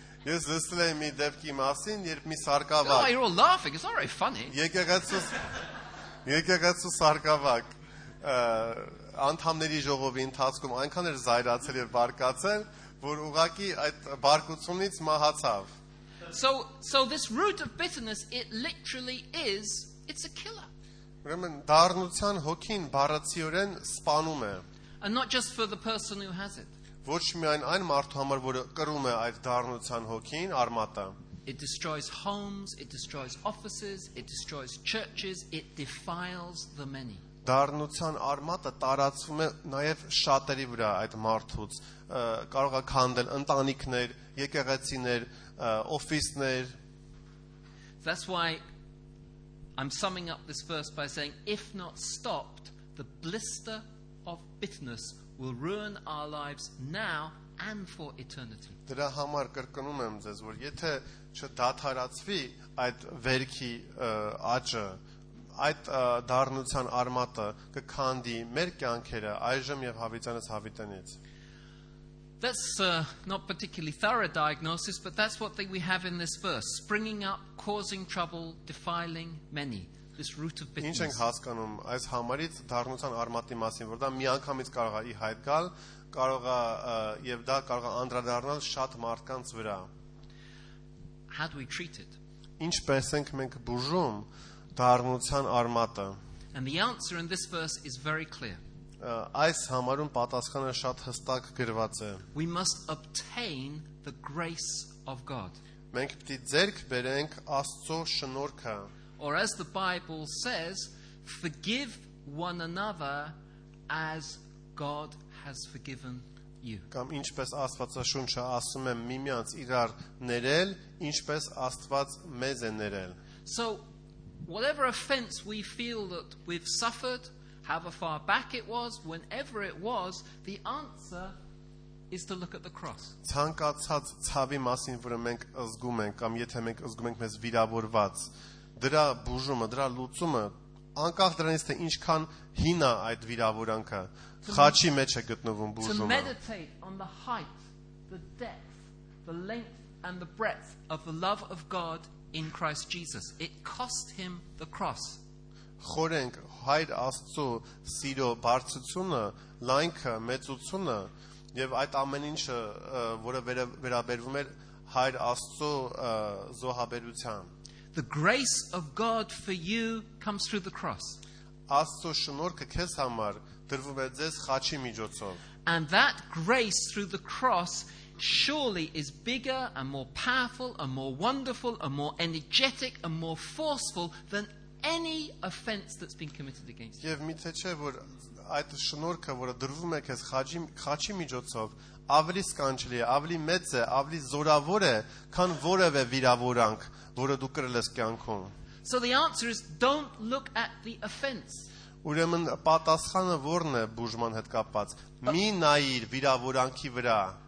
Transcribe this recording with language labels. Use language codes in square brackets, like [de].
[hy] Ես լսել եմ մի դեպքի մասին, երբ մի սարկավակ. [en] You're all laughing. It's not very funny. [hy] Եկեղեցու սարկավակ անդամների ժողովի ընթացքում այնքան էր զայրացել եւ բարկացել, որ ուղակի այդ բարկությունից մահացավ. [en] So this root of bitterness, it literally is, it's a killer. [hy] Ուրեմն դառնության հոգին բառացիորեն սպանում է. [en] And not just for the person who has it. [hy] Ոչ միայն այն մարդու համար, որը կրում է այդ դառնության հոգին, արմատը. [en] It destroys homes, it destroys offices, it destroys churches, it defiles the many. [hy] Դառնության արմատը տարածվում է նաև շատերի վրա այդ մարդուց, կարող է քանդել ընտանիքներ, եկեղեցիներ, օֆիսներ. [en] That's why I'm summing up this verse by saying, if not stopped, the blister of bitterness will ruin our lives now and for eternity. [hy] Դրա համար կրկնում եմ ձեզ, որ եթե չդադարացվի այդ վերքի աճը, այդ դառնության արմատը կքանդի մեր կյանքերը այժմ եւ հավիտենից հավիտենից. [en] That's not particularly thorough diagnosis, but that's what we have in this verse: springing up, causing trouble, defiling many. This root of bitterness. [hy] Ինչ ենք հասկանում այս համարից դառնության արմատի մասին, որ դա միանգամից կարող է ի հայտ գալ, կարող է եւ դա կարող է անդրադառնալ շատ մարդկանց վրա. [en] How do we treat it? [hy] Ինչպես ենք մենք բուժում դառնության արմատը? [en] And the answer in this verse is very clear. [hy] Այս համարում պատասխանը շատ հստակ գրված է. [en] We must obtain the grace of God. [hy] Մենք պետք է ձեռք բերենք Աստծո շնորհքը. [en] Or as the Bible says, forgive one another as God has forgiven you. [hy] Կամ ինչպես Աստվածաշունչը ասում է, միմյանց իրար ներել, ինչպես Աստված մեզ է ներել. [en] So whatever offense we feel that we've suffered, however far back it was, whenever it was, the answer is to look at the cross. [hy] Ցանկացած ցավի մասին, որը մենք ազգում ենք, կամ եթե մենք ազգում ենք մեզ վիրավորված, դրա բուժումը, դրա լուծումը, անկախ դրանից թե ինչքան հին է այդ վիրավորանքը, խաչի մեջ է գտնվում բուժումը. [en] To meditate on the height, the depth, the length and the breadth of the love of God in Christ Jesus. It cost him the cross. [hy] Խորենք հայր Աստծո սիրո բարձրությունը, լայնքը, մեծությունը եւ այդ ամեն ինչը, որը վերաբերվում էր հայր Աստծո զոհաբերության. [en] The grace of God for you comes through the cross. [hy] Աստծո շնորհքը քեզ համար դրվում է ձեզ խաչի միջոցով. [en] And that grace through the cross surely is bigger and more powerful and more wonderful and more energetic and more forceful than any offense that's been committed against you. [hy] Եվ միթե չէ, որ այդ շնորհքը, որը դրվում է քեզ խաչի միջոցով, ավելի սկանչելի է, ավելի մեծ է, ավելի զորավոր է, քան որևէ վիրավորանք, որը դու կրել ես կյանքում. [en] So the answer is don't look at the offense. [hy] Ուրեմն պատասխանը ո՞րն է բուժման հետ կապված. Մի նայիր վիրավորանքի վրա.